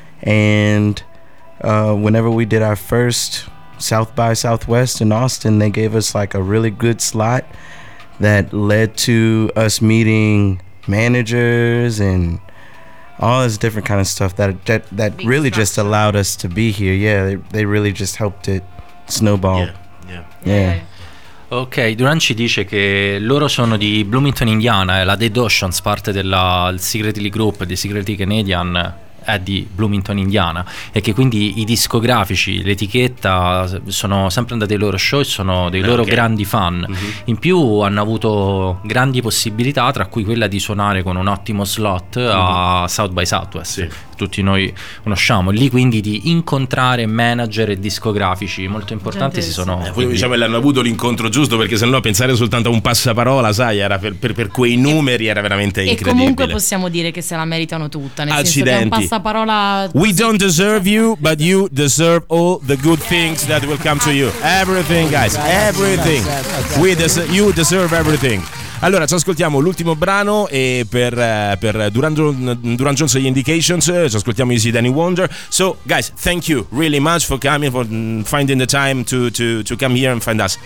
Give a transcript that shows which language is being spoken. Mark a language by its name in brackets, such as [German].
[English] And whenever we did our first South by Southwest in Austin, they gave us like a really good slot that led to us meeting managers and all this different kind of stuff that really just allowed us to be here. Yeah, they really just helped it snowball. Yeah. [Italian] Ok, Duran ci dice che loro sono di Bloomington, Indiana, e la Dead Oceans, parte della Secretly Group, di Secretly Canadian, è di Bloomington, Indiana, e che quindi i discografici, l'etichetta, sono sempre andati ai loro show e sono dei loro grandi fan. In più hanno avuto grandi possibilità, tra cui quella di suonare con un ottimo slot a South by Southwest. Sì. Tutti noi conosciamo lì, quindi di incontrare manager e discografici molto importanti si sono diciamo, l'hanno avuto l'incontro giusto, perché sennò pensare soltanto a un passaparola, sai, era per quei numeri, era veramente incredibile. E comunque possiamo dire che se la meritano tutta, nel accidenti. Senso che un passaparola così. [English] We don't deserve you, but you deserve all the good things that will come to you, everything guys, everything we you deserve everything. [Italian] Allora, ci ascoltiamo l'ultimo brano e per Duran Jones e gli Indications, ci ascoltiamo Easy Danny Wonder. [English] So, guys, thank you really much for coming, for finding the time to come here and find us.